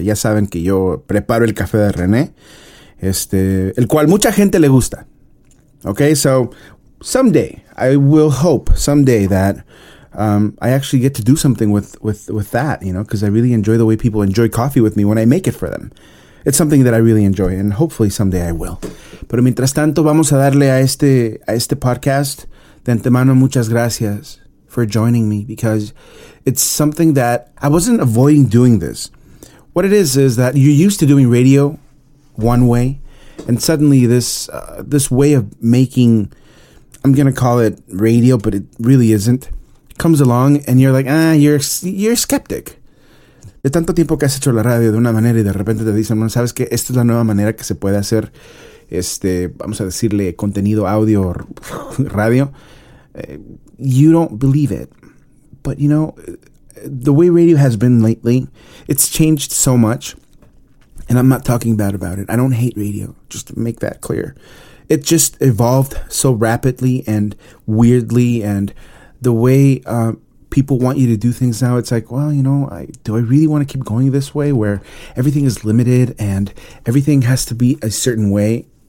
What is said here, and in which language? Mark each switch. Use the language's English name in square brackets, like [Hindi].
[Spanish] Ya saben que yo preparo el café de René, el cual mucha gente le gusta. [English] Okay, so someday, I will hope someday that I actually get to do something with that, you know, because I really enjoy the way people enjoy coffee with me when I make it for them. It's something that I really enjoy, and hopefully someday I will. [Spanish] Pero mientras tanto, vamos a darle a este podcast. De antemano, muchas gracias [English] for joining me, because it's something that I wasn't avoiding doing this. What it is that you're used to doing radio one way, and suddenly this way of making, I'm going to call it radio, but it really isn't, comes along, and you're like, you're skeptic. [Spanish] De tanto tiempo que has hecho la radio de una manera y de repente te dicen, sabes que esta es la nueva manera que se puede hacer, vamos a decirle, contenido audio o radio. [English] You don't believe it. But, you know, the way radio has been lately, it's changed so much. And I'm not talking bad about it. I don't hate radio, just to make that clear. It just evolved so rapidly and weirdly, and the way people want you to do things now, it's like, well, you know, do I really want to keep going this way where everything is limited and everything has to be a certain way?